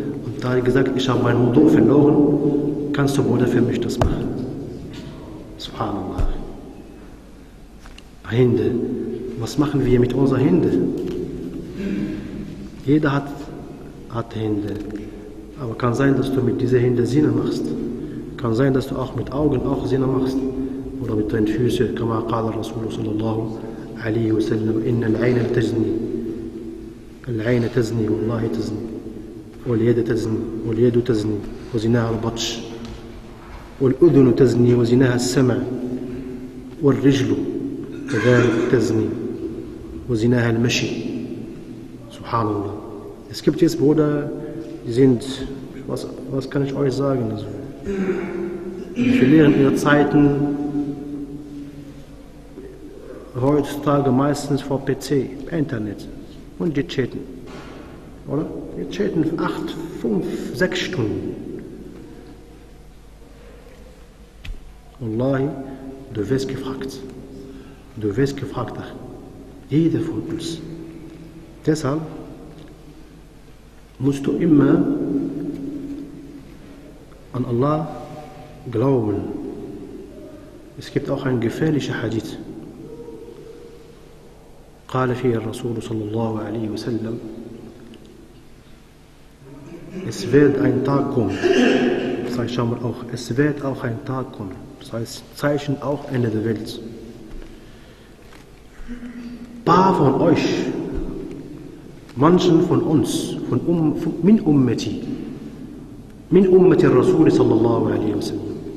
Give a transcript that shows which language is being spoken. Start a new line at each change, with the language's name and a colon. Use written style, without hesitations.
German: Und da hat er gesagt, ich habe meinen Wudu verloren, kannst du Bruder für mich das machen? Subhanallah. Hände. Was machen wir mit unseren Händen? Jeder hat Hände. Aber kann sein, dass du mit diesen Händen Sinne machst. Kann sein, dass du auch mit Augen auch Sinne machst. Oder mit deinen Füßen.
Arabic: كما قال الرسول صلى الله عليه وسلم إن العين تزني. العين تزني والله تزني. واليد تزني واليد تزني وزناها البطش والأذن تزني وزناها السمع والرجل كذلك تزني وزناها المشي. سبحان الله.
German: Es gibt jetzt Brüder, die sind, was kann ich euch sagen, also, die verlieren ihre Zeiten heutzutage meistens vor PC, Internet und die chatten. Oder? Wir chatten 8, 5, 6 Stunden. Wallahi, du wirst gefragt. Du wirst gefragt. Jeder von uns. Deshalb musst du immer an Allah glauben. Es gibt auch ein gefährlicher Hadith.
Arabic: قال فيه الرسول صلى الله عليه وسلم:
German: Es wird ein Tag kommen. Das heißt, schauen wir auch. Es wird auch ein Tag kommen. Das heißt, Zeichen auch Ende der Welt. Ein paar von euch manchen von uns, von min ummati, min ummati Rasul sallallahu alaihi wasallam.